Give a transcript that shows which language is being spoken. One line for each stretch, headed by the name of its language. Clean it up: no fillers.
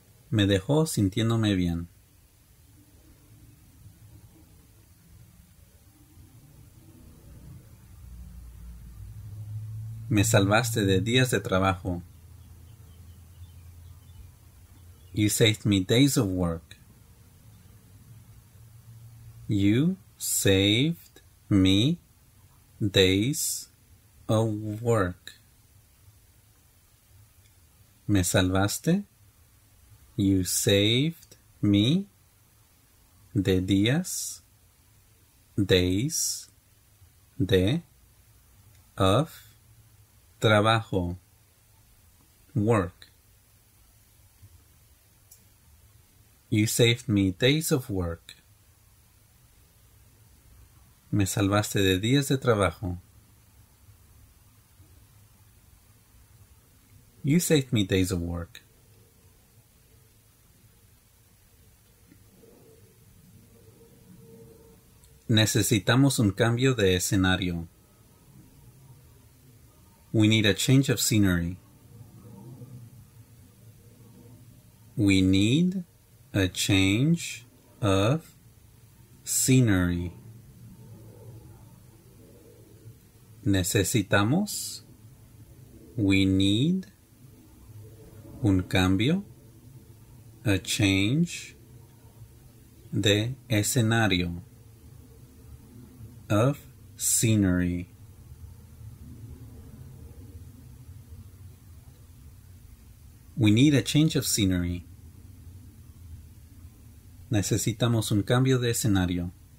Spanish: Me dejó sintiéndome bien. Me salvaste de días de trabajo.
English: You saved me days of work. You saved me days of work.
Spanish: Me salvaste.
English: You saved me
Spanish: de días,
English: days,
Spanish: de,
English: of,
Spanish: trabajo,
English: work. You saved me days of work.
Spanish: Me salvaste de días de trabajo.
English: You saved me days of work.
Spanish: Necesitamos un cambio de escenario.
English: We need a change of scenery. We need a change of scenery.
Spanish: Necesitamos.
English: We need
Spanish: un cambio.
English: A change
Spanish: de escenario.
English: Of scenery. We need a change of scenery.
Spanish: Necesitamos un cambio de escenario.